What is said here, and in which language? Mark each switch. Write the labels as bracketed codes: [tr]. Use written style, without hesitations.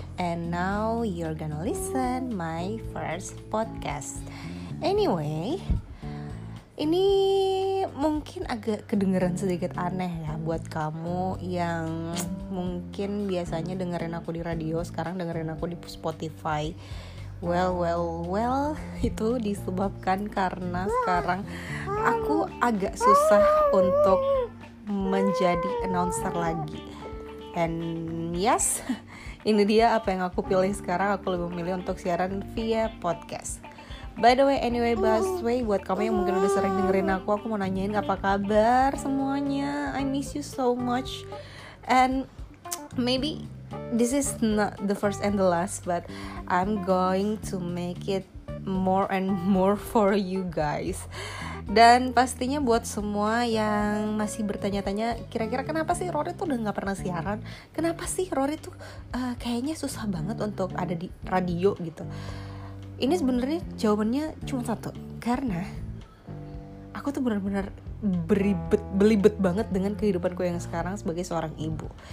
[en] And now you're gonna listen my first podcast. [id] Anyway, ini mungkin agak kedengeran sedikit aneh ya buat kamu yang mungkin biasanya dengerin aku di radio, sekarang dengerin aku di Spotify. Well, itu disebabkan karena sekarang aku agak susah untuk menjadi announcer lagi. [en] And yes, [id] ini dia apa yang aku pilih sekarang. Aku lebih memilih untuk siaran via podcast. [en] By the way, anyway, [id] busway, buat kamu yang mungkin udah sering dengerin aku mau nanyain apa kabar semuanya. [en] I miss you so much. And maybe this is not the first and the last, but I'm going to make it more and more for you guys. [id] Dan pastinya buat semua yang masih bertanya-tanya, kira-kira kenapa sih Rory tuh udah gak pernah siaran? Kenapa sih Rory tuh kayaknya susah banget untuk ada di radio gitu? Ini sebenarnya jawabannya cuma satu. Karena aku tuh benar-benar belibet banget dengan kehidupanku yang sekarang sebagai seorang ibu.